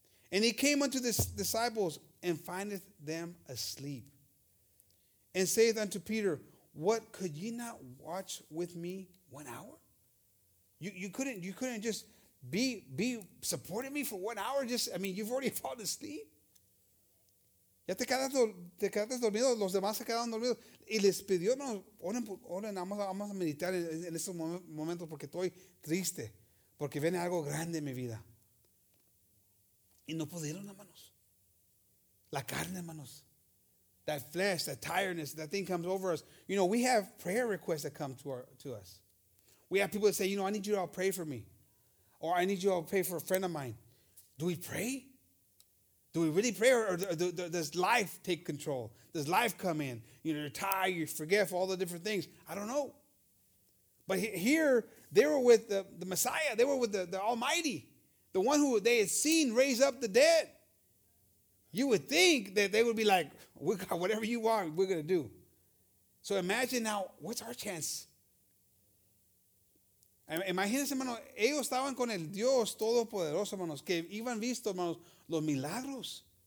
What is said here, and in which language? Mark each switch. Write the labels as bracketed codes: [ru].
[en] And he came unto the disciples and findeth them asleep, and saith unto Peter, what, could ye not watch with me 1 hour? You couldn't just be supporting me for 1 hour? You've already fallen asleep. [es] Ya te quedaste dormido, los demás se quedaron dormidos. Y les pidió, no, oren, vamos a meditar en estos momentos porque estoy triste, porque viene algo grande en mi vida. Y no pudieron, hermanos. La carne, hermanos. [en] That flesh, that tiredness, that thing comes over us. You know, we have prayer requests that come to us. We have people that say, you know, I need you to all pray for me. Or I need you all pray for a friend of mine. Do we pray? Do we really pray? Or does life take control? Does life come in? You know, you're tired, you forget all the different things. I don't know. But here, they were with the Messiah. They were with the Almighty. The one who they had seen raise up the dead. You would think that they would be like, we got whatever you want, we're going to do. So imagine now, what's our chance? [es] Imagínense, hermanos, ellos estaban con el Dios Todopoderoso, hermanos, que iban visto, hermanos, los milagros.